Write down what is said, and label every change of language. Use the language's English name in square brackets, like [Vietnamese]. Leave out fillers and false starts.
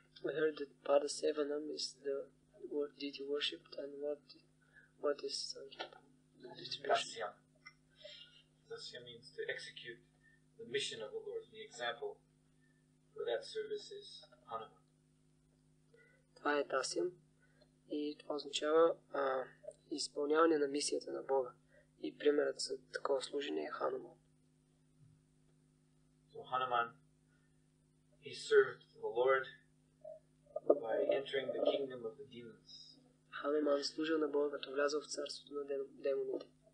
[English] I heard that Pada Sevanam is the word deity worshipped, and what is distribution? Dasya means to execute the mission of the Lord. The example for that service is Hanuman. [Bulgarian] Това е Дасиам и това означава изпълняване на мисията на Бога. И примерът за такова служение е Хануман. [English] So Hanuman, he served the Lord by entering the kingdom of the demons. [Bulgarian] Hanuman служил на Бога, като влязъл в царството на демоните.